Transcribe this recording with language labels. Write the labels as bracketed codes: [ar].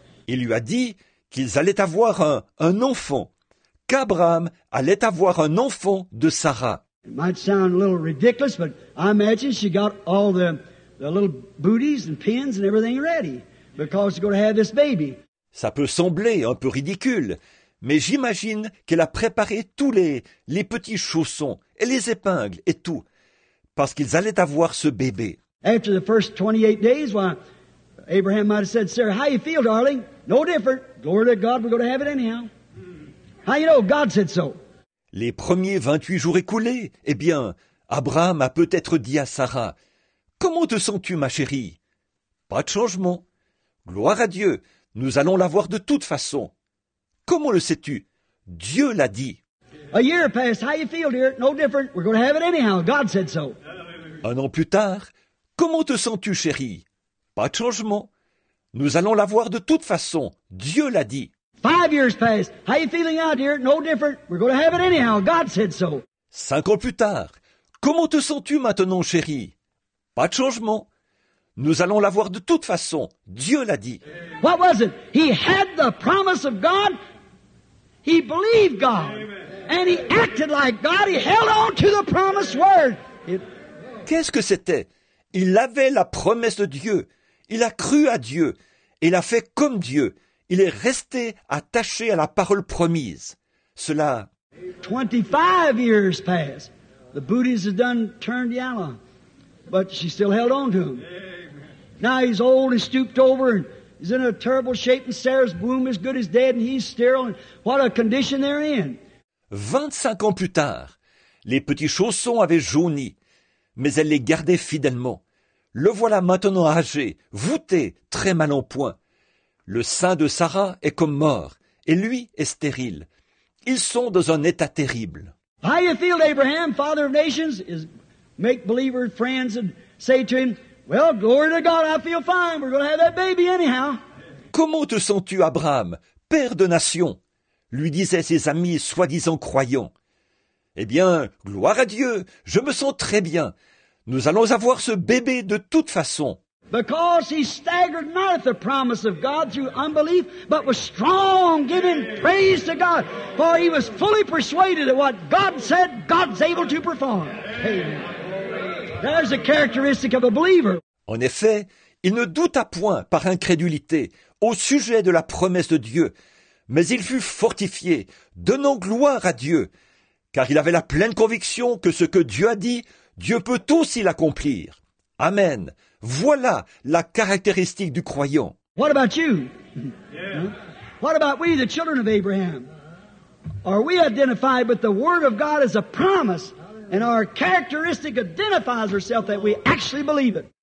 [fr] Il lui a dit qu'ils allaient avoir un enfant, qu'Abraham allait avoir un enfant de Sarah. [en] It might sound a little ridiculous, but I imagine she got all the little booties and pins and everything ready because she's going to have this baby. [fr] Ça peut sembler un peu ridicule, mais j'imagine qu'elle a préparé tous les petits chaussons et les épingles et tout parce qu'ils allaient avoir ce bébé. [en] After the first 28 days, why, Abraham might have said, Sarah, how you feel, darling? No different. Glory to God, we're going to have it anyhow. How you know? God said so. [fr] Les premiers 28 jours écoulés, eh bien, Abraham a peut-être dit à Sarah, « Comment te sens-tu, ma chérie ? » ?»« Pas de changement. Gloire à Dieu, nous allons l'avoir de toute façon. » Comment le sais-tu ? Dieu l'a dit. [en] A year passed. How you feel, dear? No different. We're going to have it anyhow. God said so. [fr] Un an plus tard, « Comment te sens-tu, chérie ? » ?»« Pas de changement. Nous allons l'avoir de toute façon. Dieu l'a dit. » [en] 5 years passed. How you feeling out here? No different. We're going to have it anyhow. God said so. [fr] 5 ans plus tard. Comment te sens-tu maintenant, chérie? Pas de changement. Nous allons l'avoir de toute façon. Dieu l'a dit. [en] What was it? He had the promise of God He believed God. And he acted like God. He held on to the promised word. [fr] Qu'est-ce que c'était? Il avait la promesse de Dieu. Il a cru à Dieu. Et il a fait comme Dieu. Il est resté attaché à la parole promise. Cela. [en] 25 years passed. The booties had done turned yellow. But she still held on to him. Now he's old and stooped over and he's in a terrible shape and Sarah's womb is good as dead and he's sterile. And what a condition they're in. [fr] 25 ans plus tard, les petits chaussons avaient jauni, mais elle les gardait fidèlement. Le voilà maintenant âgé, voûté, très mal en point. Le sein de Sarah est comme mort, et lui est stérile. Ils sont dans un état terrible. [en] How you feel, Abraham, father of nations, is make believer friends and say to him, well, glory to God, I feel fine, we're going to have that baby anyhow. [fr] Comment te sens-tu, Abraham, père de nations? Lui disaient ses amis soi-disant croyants. Eh bien, gloire à Dieu, je me sens très bien. Nous allons avoir ce bébé de toute façon. [en] Because he staggered not at the promise of God through unbelief, but was strong, giving praise to God. For he was fully persuaded that what God said, God's able to perform. There's a characteristic of a believer. [fr] En effet, il ne douta point par incrédulité au sujet de la promesse de Dieu. Mais il fut fortifié, donnant gloire à Dieu, car il avait la pleine conviction que ce que Dieu a dit, Dieu peut aussi l'accomplir. Amen. Voilà la caractéristique du croyant. [en] What about you? What about we, the children of Abraham? Are we identified with the word of God as a promise, and our characteristic identifies herself that we actually believe it?